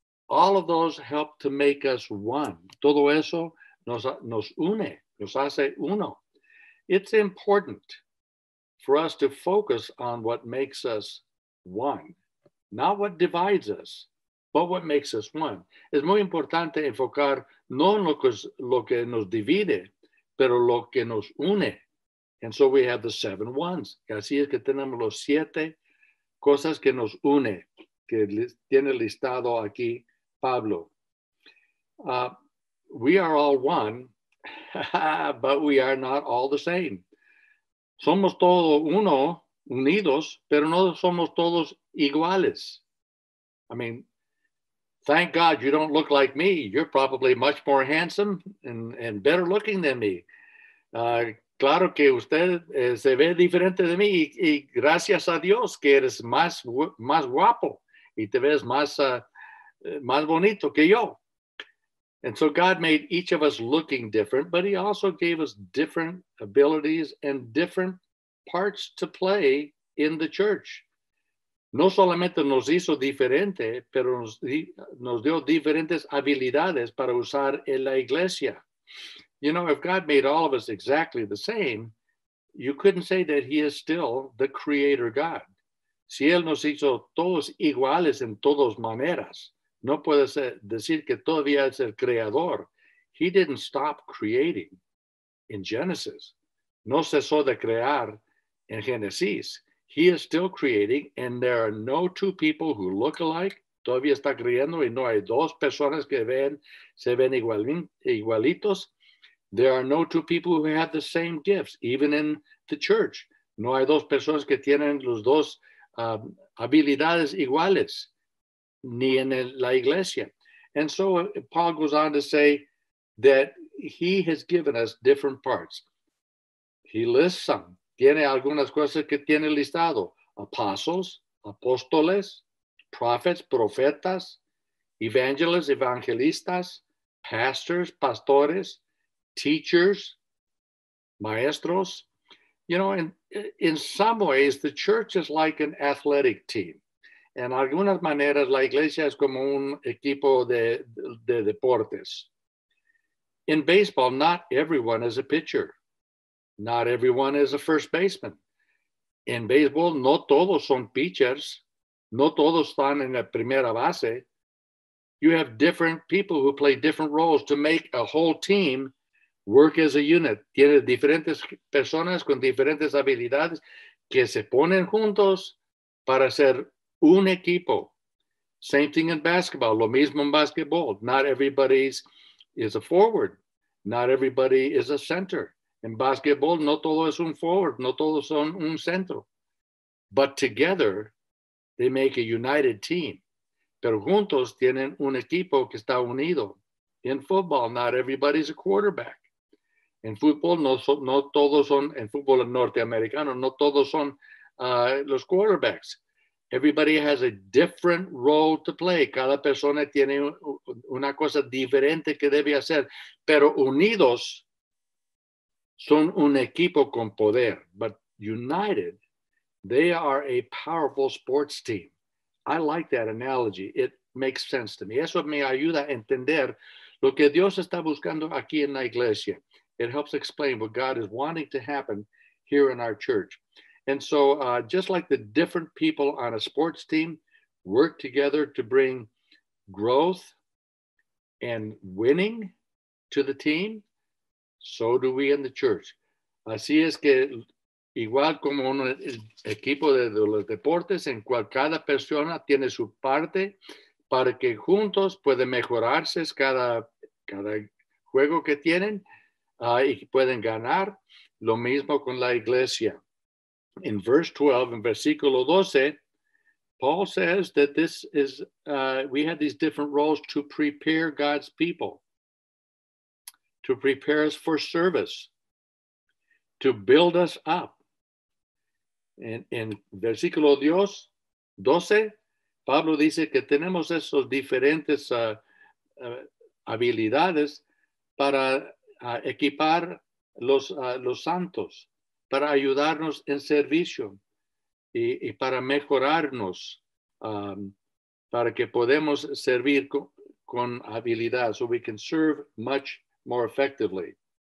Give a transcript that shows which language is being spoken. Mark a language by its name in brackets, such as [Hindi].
[English] All of those help to make us one. [Spanish] Todo eso nos une, nos hace uno. [English] It's important for us to focus on what makes us one. Not what divides us, but what makes us one. [Spanish] Es muy importante enfocar no en lo que nos divide, pero lo que nos une. [English] And so we have the seven ones. [Spanish] Así es que tenemos los siete cosas que nos une, que tiene listado aquí Pablo. [English] We are all one, but we are not all the same. [Spanish] Somos todos uno, unidos, pero no somos todos iguales. [English] I mean, thank God you don't look like me. You're probably much more handsome and better looking than me. [Spanish] Claro que usted se ve diferente de mí y gracias a Dios que eres más guapo y te ves más bonito que yo. [English] And so God made each of us looking different, but he also gave us different abilities and different parts to play in the church. [Spanish] No solamente nos hizo diferente, pero nos dio diferentes habilidades para usar en la iglesia. [English] You know, if God made all of us exactly the same, you couldn't say that he is still the creator God. [Spanish] Si él nos hizo todos iguales en todas maneras, no puede ser decir que todavía es el creador. [English] He didn't stop creating in Genesis. [Spanish] No cesó de crear en Génesis. [English] He is still creating, and there are no two people who look alike. [Spanish] Todavía está creando, y no hay dos personas que se ven igualitos. [English] There are no two people who have the same gifts, even in the church. [Spanish] No hay dos personas que tienen los dos habilidades iguales, ni en la iglesia. [English] And so Paul goes on to say that he has given us different parts. He lists some. [Spanish] Tiene algunas cosas que tiene listado. [English] Apostles, [Spanish] apóstoles, [English] prophets, [Spanish] profetas, evangelistas, [English] pastors, [Spanish] pastores, [English] teachers, [Spanish] maestros. [English] You know, in some ways, the church is like an athletic team. [Spanish] En algunas maneras, la iglesia es como un equipo de deportes. [English] In baseball, not everyone is a pitcher. Not everyone is a first baseman. In baseball, [Spanish] no todos son pitchers. No todos están en la primera base. [English] You have different people who play different roles to make a whole team work as a unit. [Spanish] Tienes diferentes personas con diferentes habilidades que se ponen juntos para ser un equipo. [English] Same thing in basketball. [Spanish] Lo mismo en basketball. [English] Not everybody is a forward. Not everybody is a center. In basketball, [Spanish] no todo es un forward. No todos son un centro. [English] But together, they make a united team. [Spanish] Pero juntos tienen un equipo que está unido. [English] In football, not everybody's a quarterback. [Spanish] En fútbol, no todos son, en fútbol norteamericano, no todos son los quarterbacks. [English] Everybody has a different role to play. [Spanish] Cada persona tiene una cosa diferente que debe hacer. Pero unidos son un equipo con poder. [English] But united, they are a powerful sports team. I like that analogy. It makes sense to me. [Spanish] Eso me ayuda a entender lo que Dios está buscando aquí en la iglesia. [English] It helps explain what God is wanting to happen here in our church. And so just like the different people on a sports team work together to bring growth and winning to the team, so do we in the church. [Spanish] Así es que igual como un equipo de los deportes, en cual cada persona tiene su parte para que juntos puede mejorarse cada juego que tienen y pueden ganar, lo mismo con la iglesia. [English] In verse 12, in versículo 12, Paul says that this is, we have these different roles to prepare God's people, to prepare us for service, to build us up. [Spanish] In versículo 12, Pablo dice que tenemos esos diferentes habilidades para equipar los santos, para ayudarnos en servicio y para mejorarnos, para que podemos servir con habilidad, [English] so we can serve much more effectively.